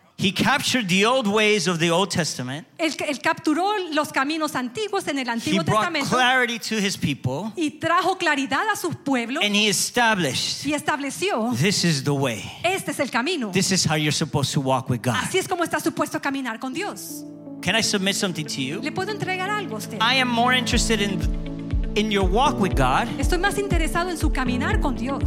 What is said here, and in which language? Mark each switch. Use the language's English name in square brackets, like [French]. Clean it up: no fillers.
[English] He captured the old ways of the Old Testament. [Spanish] Él capturó los caminos antiguos en el Antiguo Testamento. [English] He brought clarity to his people. [Spanish] Y trajo claridad a sus pueblos. [English] And he established. [Spanish] Y estableció. [English] This is the way. [Spanish] Este es el camino. [English] This is how you're supposed to walk with God. [Spanish] Así es como está supuesto caminar con Dios. [English] Can I submit something to you? [Spanish] ¿Le puedo entregar algo a usted? [English] I am more interested in your walk with God. [Spanish] Estoy más interesado en su caminar con Dios.